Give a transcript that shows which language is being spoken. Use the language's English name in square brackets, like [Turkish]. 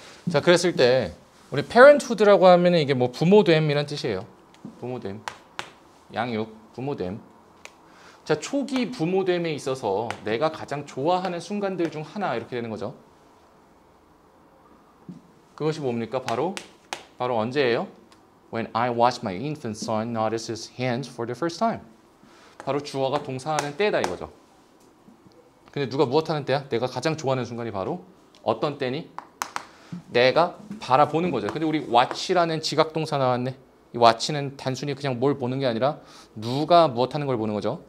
[Korean] 자, 그랬을 때 우리 parenthood라고 하면은 이게 뭐 부모됨이란 뜻이에요. 부모됨. 양육, 부모됨. 자, 초기 부모됨에 있어서 내가 가장 좋아하는 순간들 중 하나 이렇게 되는 거죠. 그것이 뭡니까? 바로 언제예요? [English] When I watched my infant son nod his hands for the first time. [Korean] 바로 주어가 동사하는 때다 이거죠. 근데 누가 무엇하는 때야? 내가 가장 좋아하는 순간이 바로 어떤 때니? 내가 바라보는 거죠. 근데 우리 watch라는 지각동사 나왔네. 이 watch는 단순히 그냥 뭘 보는 게 아니라 누가 무엇하는 걸 보는 거죠.